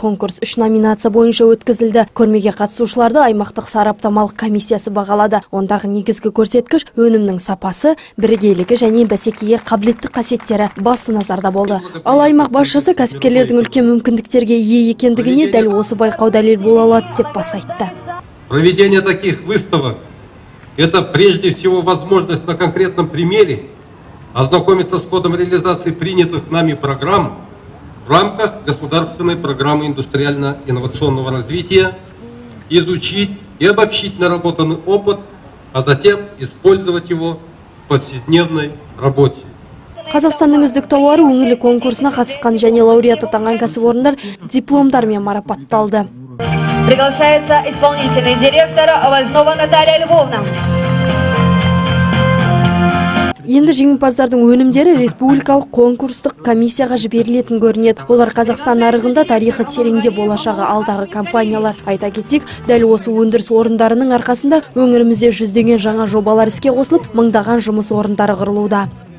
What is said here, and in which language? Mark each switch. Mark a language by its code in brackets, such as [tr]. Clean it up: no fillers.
[kk] Конкурс 3 номинация бойынша өткізілді. Көрмеге қатысушыларды аймақтық сараптамалық комиссиясы бағалады. Ондағы негізгі көрсеткіш өнімнің сапасы, бірегейлігі және бәсекеге қабілетті қасиеттері басты назарда болды. Ал аймақ басшысы кәсіпкерлердің үлкен мүмкіндіктерге ие екендігіне дәл осы байқау дәлел бола алады деп баса айтты. [ru] Проведение таких выставок это прежде всего возможность на конкретном примере ознакомиться с ходом реализации принятых нами программ в рамках государственной программы индустриально-инновационного развития, изучить и обобщить наработанный опыт, а затем использовать его в повседневной работе. [kk] Қазақстанның үздік тауары өңірлік конкурсына қатысқан және лауреат атанған кәсіпорындар дипломдармен марапатталды. [ru] Приглашается исполнительный директор Важнова Наталья Львовна. [kk] Енді жеңімпаздардың өнімдері республикалық конкурстық комиссияға жіберілетін көрінеді. Олар Қазақстан нарығында тарихы тереңде болашағы алдағы компаниялар. Айта кетсек, дәл осы өндіріс орындарының арқасында өңірімізде жүздеген жаңа жобалар іске қосылып, мыңдаған жұмыс орындары құрылуда.